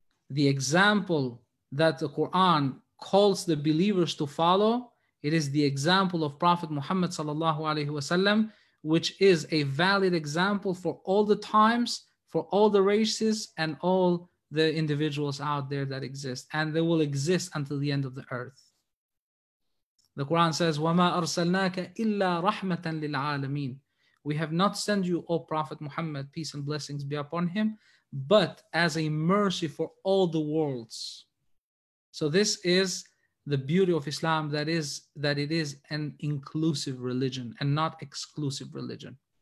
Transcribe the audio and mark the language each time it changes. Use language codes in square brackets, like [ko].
[en] The example that the Quran calls the believers to follow, it is the example of Prophet Muhammad sallallahu alaihi wasallam, which is a valid example for all the times, for all the races, and all the individuals out there that exist, and they will exist until the end of the earth. The Quran says, [ar] وَمَا أَرْسَلْنَاكَ إِلَّا رَحْمَةً لِلْعَالَمِينَ. [en] We have not sent you, O Prophet Muhammad, peace and blessings be upon him, but as a mercy for all the worlds. So this is the beauty of Islam, that is that it is an inclusive religion and not exclusive religion.